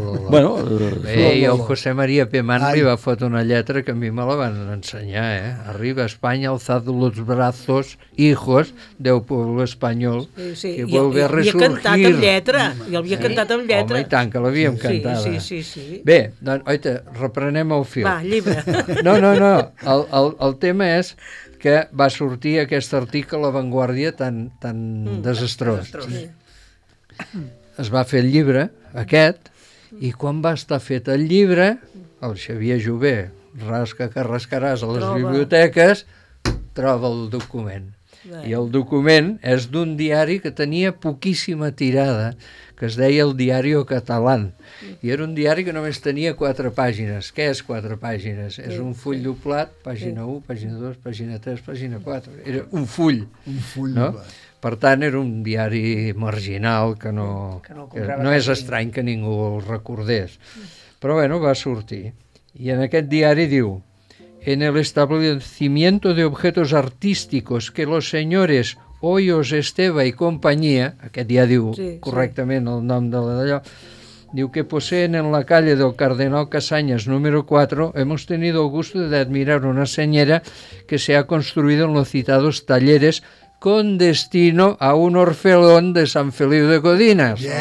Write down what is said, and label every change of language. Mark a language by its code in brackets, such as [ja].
[ca] Bueno, i el José María Pemán li va fotre una lletra que a mi me la van ensenyar, Arriba a Espanya, alzad los brazos, hijos del pueblo español, que vuelve a resurgir. I havia cantat amb lletra. Home, i tant, que l'havíem cantada. Sí. Bé, doncs, oita, reprenem el fil. Va, llibre. No, el tema és que va sortir aquest article a La Vanguardia tan desastrós. Es va fer el llibre, aquest, i quan va estar fet el llibre, el Xavier Jové, rasca que rascaràs a les biblioteques, troba el document. I el document és d'un diari que tenia poquíssima tirada, que es deia el Diario Catalán. I era un diari que només tenia 4 pàgines. Què és 4 pàgines? Sí. És un full doblat, pàgina 1, pàgina 2, pàgina 3, pàgina 4. Era un full. Un full doblat. No? Per tant, era un diari marginal, que no, no és estrany que ningú el recordés. Però bueno, va sortir. I en aquest diari diu: [es] en el establecimiento de objetos artísticos que los señores Hoyos, Esteva y compañía, [ca] aquest ja diu correctament el nom de d'allò, diu que [es] poseen en la calle del Cardenal Casañas número 4, hemos tenido el gusto de admirar una señera que se ha construido en los citados talleres con destino a un orfelón de San Feliu de Codines.